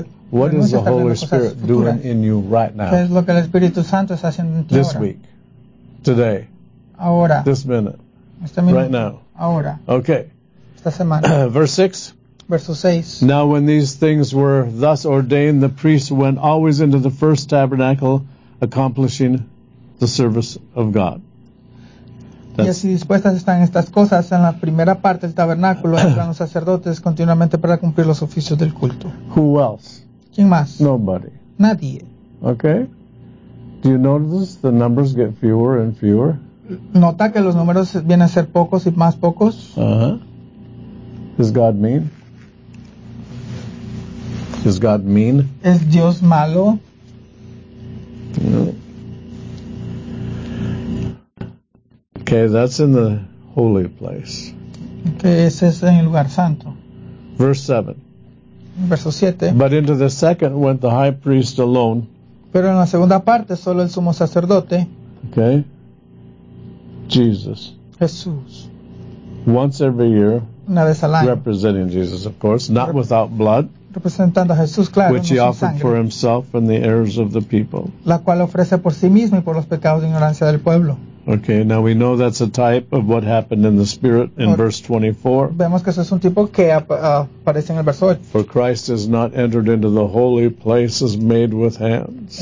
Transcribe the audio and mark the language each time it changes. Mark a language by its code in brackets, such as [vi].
[en] What is the Holy Spirit doing in you right now? [es] ¿Qué es lo que el Espíritu Santo está haciendo en ti ahora? [en] This week. Today. [es] Ahora. [en] This minute. [es] Este minuto. [en] Right now. [es] Ahora. [en] Okay. [es] Esta semana. [en] Verse 6. Now when these things were thus ordained, the priests went always into the first tabernacle, accomplishing the service of God. [es] Y así dispuestas están estas cosas en la primera parte del tabernáculo, entran los sacerdotes continuamente para cumplir los oficios del culto. [en] Who else? [es] ¿Quién más? [en] Nobody. [es] Nadie. [en] Okay. Do you notice the numbers get fewer and fewer? [es] ¿Nota que los números vienen a ser pocos y más pocos? [en] Does God mean? Is God mean? [es] ¿Es Dios malo? No. [en] Okay, that's in the holy place. [es] Okay, ese es en el lugar santo. [en] Verse 7. [es] Verso 7. [en] But into the second went the high priest alone. [es] Pero en la segunda parte solo el sumo sacerdote. [en] Okay. Jesus. [es] Jesús. [en] Once every year. [es] Una vez al año. [en] Representing Jesus, of course, not without blood. [es] Representando a Jesús, claro, [en] which he offered [es] sangre, [en] for himself and the errors of the people. [es] La cual ofrece por sí mismo y por los pecados de ignorancia del pueblo. [en] Okay, now we know that's a type of what happened in the Spirit in verse 24. [es] Vemos que eso es un tipo que aparece en el verso 8. [en] For Christ has not entered into the holy places made with hands.